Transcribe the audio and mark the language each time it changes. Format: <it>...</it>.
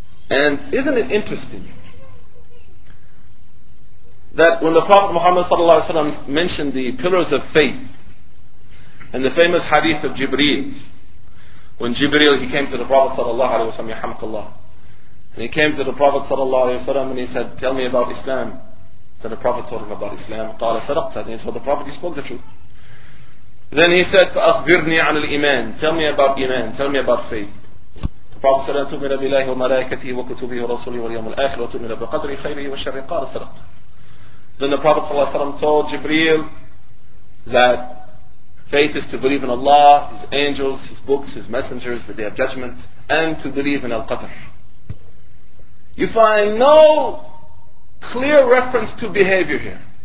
<en>And isn't it interesting that when the Prophet Muhammad sallallahu alaihi wasallam mentioned the pillars of faith in the famous hadith of Jibreel, when Jibreel, he came to the Prophet sallallahu alaihi wasallam, yahamakallah, and he came to the Prophet sallallahu alaihi wasallam and he said, tell me about Islam. Then the Prophet told him about Islam.</en> <ar>قَالَ فَرَقْتَ.</ar> <en>Then he told the Prophet, he spoke the truth. Then he said,</en> <ar>فَأَخْبِرْنِي عَنِ الْإِيمَانِ.</ar> <en>Tell me about Iman, tell me about faith. The Prophet said,</en> <ar>تُؤْمِنَ بِاللَّهِ وَمَلَائِكَتِهِ وَكُتُبِهِ وَرَسُولِهِ وَالْيَوْمِ الْآخِرِ وَتُؤْمِنَ بِقَدْرِهِ خَيْرِهِ وَشَرِّهِ. قَالَ فَرَقْتَ.</ar> <en>Then the Prophet ﷺ told Jibreel that faith is to believe in Allah, His angels, His books, His messengers, the Day of Judgment, and to believe in Al-Qadr. You find no clear reference to behavior here.</en>